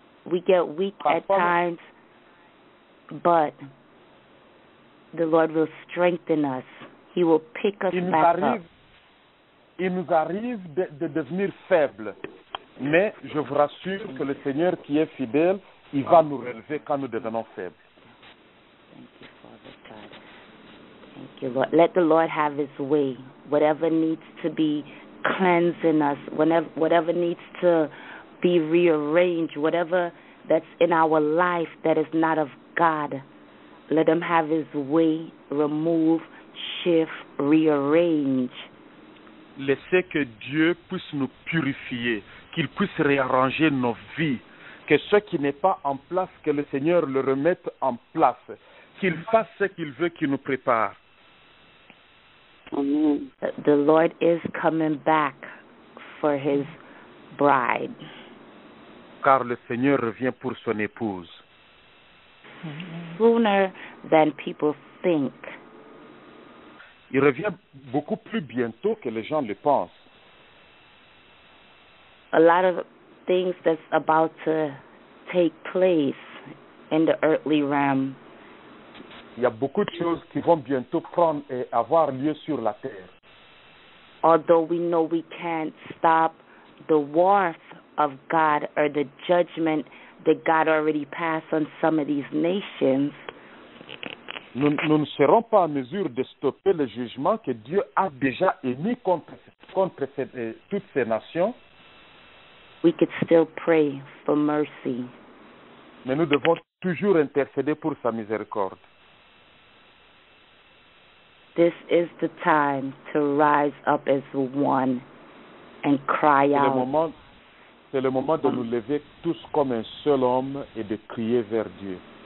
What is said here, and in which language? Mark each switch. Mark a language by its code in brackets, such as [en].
[en] We get weak at times, but the Lord will strengthen us. He will pick us back up. [fr] Il nous arrive de devenir faibles, mais je vous rassure que le Seigneur qui est fidèle, il va nous relever quand nous devenons faibles. [en] Thank you, Father God. Thank you, Lord. Let the Lord have His way. Whatever needs to be cleansed in us, whatever needs to be rearranged, whatever that's in our life that is not of God, let Him have His way, remove, shift, rearrange. [fr] Laissez que Dieu puisse nous purifier, qu'il puisse réarranger nos vies, que ce qui n'est pas en place, que le Seigneur le remette en place, qu'il fasse ce qu'il veut, qu'il nous prépare. [en] Amen. The Lord is coming back for His bride. [fr] Car le Seigneur revient pour son épouse. [en] Sooner than people think. [fr] Il revient beaucoup plus bientôt que les gens le pensent. [en] A lot of things that's about to take place in the earthly realm. [fr] Il y a beaucoup de choses qui vont bientôt prendre et avoir lieu sur la terre. [en] Although we know we can't stop the wars of God or the judgment that God already passed on some of these nations. [fr] Nous ne serons pas en mesure de stopper le jugement que Dieu a déjà émis contre toutes ces nations. [en] We could still pray for mercy. [fr] Mais nous devons toujours intercéder pour sa miséricorde. [en] This is the time to rise up as one and cry out. [fr] C'est le moment de nous lever tous comme un seul homme et de crier vers Dieu.